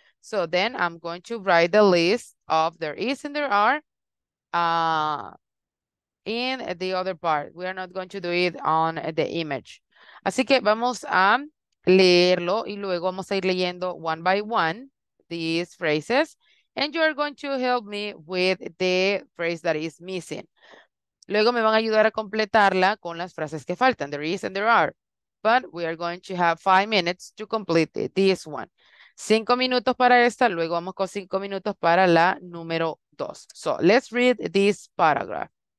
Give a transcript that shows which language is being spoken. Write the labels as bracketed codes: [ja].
[en] So then I'm going to write the list of there is and there are in the other part. We are not going to do it on the image. [es] Así que vamos a leerlo y luego vamos a ir leyendo [en] one by one these phrases. And you are going to help me with the phrase that is missing. [es] Luego me van a ayudar a completarla con las frases que faltan. [en] There is and there are. But we are going to have 5 minutes to complete this one. [es] 5 minutos para esta. Luego vamos con 5 minutos para la número 2. [en] So let's read this paragraph.